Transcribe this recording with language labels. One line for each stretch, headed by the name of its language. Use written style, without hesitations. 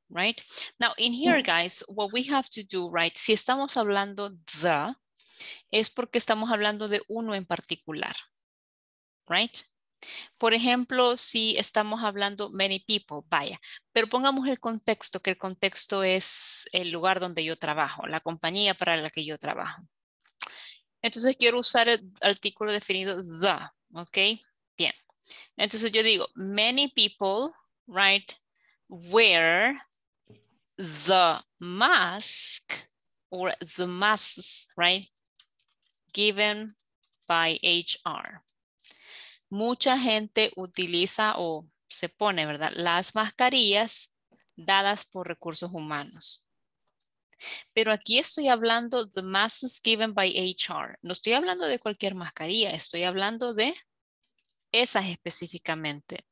English: Right now, in here, guys, what we have to do, right?
Spanish: Si estamos hablando
English: the,
Spanish: es porque estamos hablando de uno en particular, right? Por ejemplo, si estamos hablando
English: many people,
Spanish: vaya, pero pongamos el contexto, que el contexto es el lugar donde yo trabajo, la compañía para la que yo trabajo. Entonces quiero usar el artículo definido the, ¿ok? Bien. Entonces yo digo,
English: many people, right, wear the mask or the masks, right, given by HR.
Spanish: Mucha gente utiliza o se pone, ¿verdad?, las mascarillas dadas por recursos humanos. Pero aquí estoy hablando
English: the masks given by HR.
Spanish: No estoy hablando de cualquier mascarilla, estoy hablando de esas específicamente.